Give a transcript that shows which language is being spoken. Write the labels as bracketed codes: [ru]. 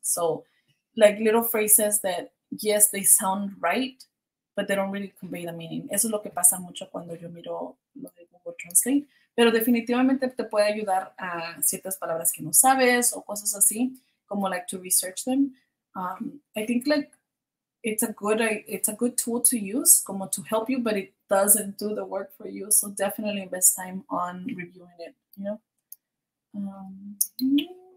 [en] So like little phrases that yes, they sound right, but they don't really convey the meaning. [es] Eso es lo que pasa mucho cuando yo miro lo de Google Translate. Pero definitivamente te puede ayudar a ciertas palabras que no sabes o cosas así, como [en] like to research them. I think like it's a good tool to use, [es] como [en] to help you, but it doesn't do the work for you. So definitely invest time on reviewing it, you know?